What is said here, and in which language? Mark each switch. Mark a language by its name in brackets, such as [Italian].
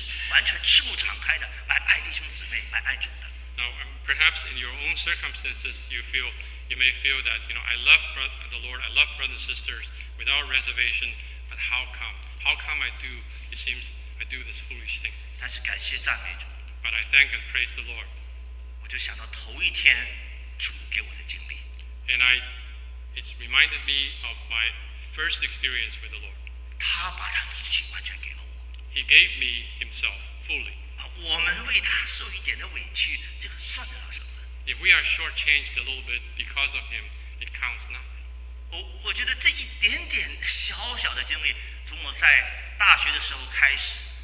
[Chinese] 完全赤目敞开的来爱弟兄姊妹，来爱主的。 [English] Now, perhaps in your own circumstances, you may feel that, you know, I love the Lord, I love brothers and sisters without reservation, but how come? How come I do? It seems I do this foolish thing. [Chinese] 但是感谢赞美主。 [English] But I thank and praise the Lord. [Chinese] 我就想到头一天主给我的经历。 [English] And it reminded me of my first experience with the Lord. [Chinese] 他把他自己完全给了我。 [English] He gave me himself fully. [Chinese] 我们为他受一点的委屈，这个算得了什么？ [English] If we are shortchanged a little bit because of him, it counts nothing. [Chinese] 我觉得这一点点小小的经历，从我在大学的时候开始，